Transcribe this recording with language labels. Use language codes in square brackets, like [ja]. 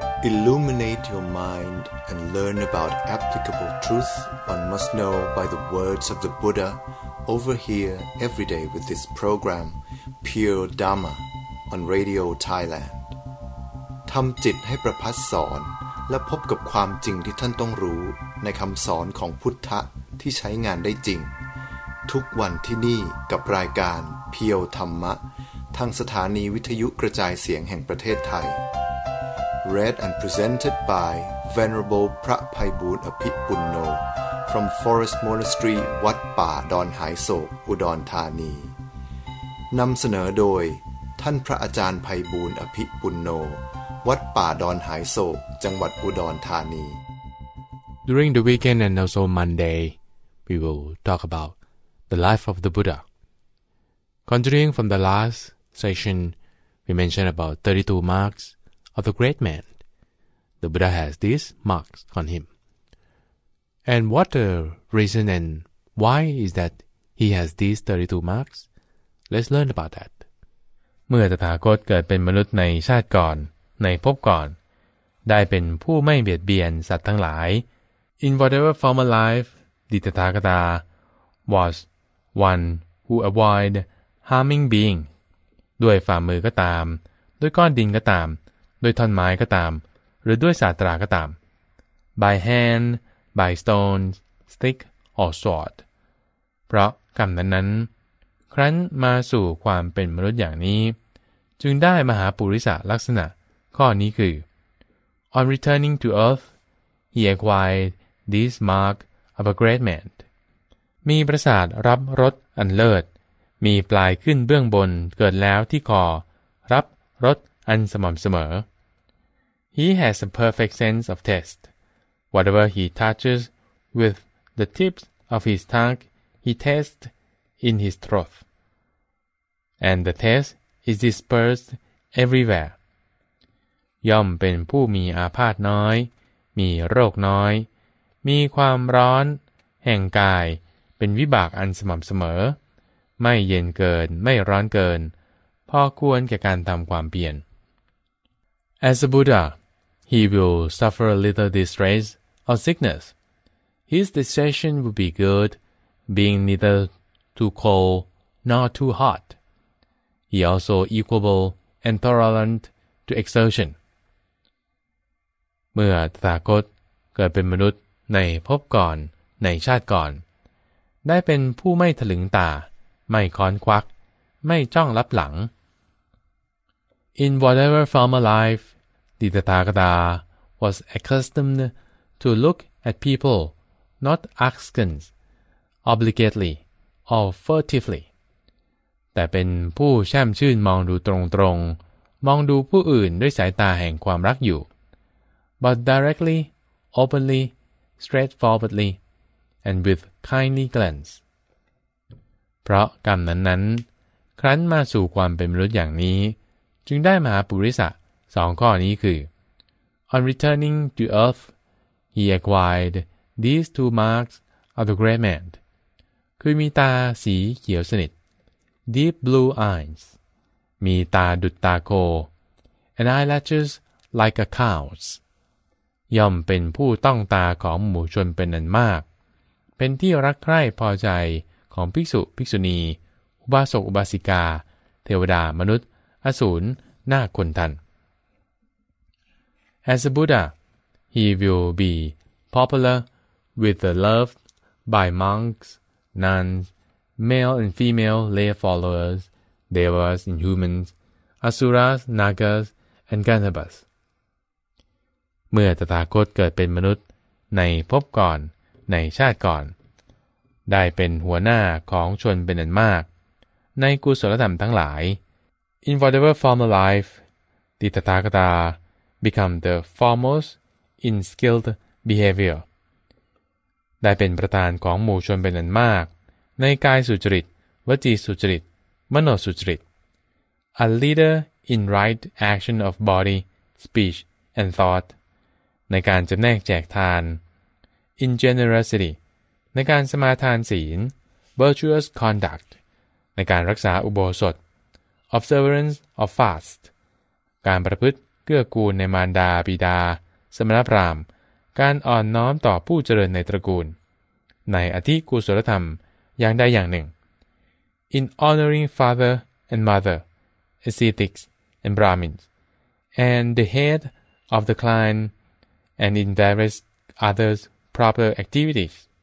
[en] Illuminate your mind and learn about applicable truth one must know by the words of the Buddha over here every day with this program, Pure Dharma, on Radio Thailand. [th] ทำจิตให้ประพัสสอนและพบกับความจริงที่ท่านต้องรู้ในคำสอนของพุทธะที่ใช้งานได้จริงทุกวันที่นี่กับรายการเพียวธรรมะทางสถานีวิทยุกระจายเสียงแห่งประเทศไทย [en] Read and presented by Venerable [th] พระไพบูลย์อภิปุณโญ [en] from Forest Monastery [th] วัดป่าดอนหายโศกอุดรธานีนำเสนอโดยท่านพระอาจารย์ไพบูลย์อภิปุณโญวัดป่าดอนหายโศกจังหวัดอุดรธานี [en] During the weekend and also Monday we will talk aboutThe life of the Buddha. Continuing from the last session, we mentioned about 32 marks of the great man. The Buddha has these marks on him. And what the reason and why is that he has these 32 marks? Let's learn about that. [th] เมื่อตถาคตเกิดเป็นมนุษย์ในชาติก่อนในภพก่อนได้เป็นผู้ไม่เบียดเบียนสัตว์ทั้งหลาย [en] In whatever form of life, the Tathagata wasOne who avoid harming being, [th] ด้วยฝ่ามือก็ตามด้วยก้อนดินก็ตามด้วยท่อนไม้ก็ตามหรือด้วยศาสตราก็ตาม [en] by hand, by stone, stick or sword, [th] เพราะกรรมนั้นครั้นมาสู่ความเป็นมนุษย์อย่างนี้จึงได้มหาปุริสลักษณะข้อนี้คือ [en] on returning to earth, he acquired this mark of a great man. [th] มีประสาทรับรสอันเลิศมีปลายขึ้นเบื้องบนเกิดแล้วที่คอรับรสอันสม่ำเสมอ [en] He has a perfect sense of taste. Whatever he touches with the tips of his tongue, he tastes in his throat. And the taste is dispersed everywhere. [th] ย่อมเป็นผู้มีอาพาธน้อยมีโรคน้อยมีความร้อนแห่งกายเป็นวิบากอันสม่ำเสมอไม่เย็นเกินไม่ร้อนเกินพอควรแก่การทำความเพียร [en] As a Buddha, he will suffer a little distress or sickness. His digestion will be good, being neither too cold nor too hot. He also equable and tolerant to exertion. [th] เมื่อตถาคตเกิดเป็นมนุษย์ในภพก่อนในชาติก่อนได้เป็นผู้ไม่ถลึงตาไม่ค้อนควักไม่จ้องลับหลัง [en] In whatever form of life, the Tathagata was accustomed to look at people not askance, obligately, or furtively. [th] แต่เป็นผู้แช่มชื่นมองดูตรงๆมองดูผู้อื่นด้วยสายตาแห่งความรักอยู่ [en] But directly, openly, straightforwardlyAnd with kindly glance. [th] เพราะกรรมนั้นครั้นมาสู่ความเป็นมนุษย์อย่างนี้จึงได้มหาปุริสะสองข้อนี้คือ [en] On returning to earth, he acquired these two marks of the great man. [th] คือมีตาสีเขียวสนิท [en] Deep blue eyes. [th] มีตาดุจตาโค [en] And eyelashes like a cow's. [th] ย่อมเป็นผู้ต้องตาของหมู่ชนเป็นอันมากเป็นที่รักใคร่พอใจของภิกษุภิกษุณีอุบาสกอุบาสิกาเทวดามนุษย์อสูรนาคคนทัน [en] As a Buddha, he will be popular with the loved by monks, nuns, male and female lay followers, devas and humans, asuras, nagas, and gandharvas. [th] เมื่อตถาคตเกิดเป็นมนุษย์ในภพก่อนในชาติก่อนได้เป็นหัวหน้าของชนเป็นอันมากในกุศลธรรมทั้งหลาย [en] In whatever form of life, the Tathagata become the foremost in skilled behavior. [th] ได้เป็นประธานของหมู่ชนเป็นอันมากในกายสุจริตวจีสุจริตมโนสุจริต [en] A leader in right action of body, speech, and thought. [th] ในการจำแนกแจกทาน [en] In generosity, [th] ในการสมาทานศีล [en] virtuous conduct, [th] ในการรักษาอุโบสถ [en] observance of fast, [th] การประพฤติ เกื้อกูลในมารดาบิดาสมณพราหมณ์การอ่อนน้อมต่อผู้เจริญในตระกูลในอธิกุศลธรรมอย่างใดอย่างหนึ่ง [en] In honoring father and mother, ascetics and Brahmins, and the head of the clan, and in various other proper activities.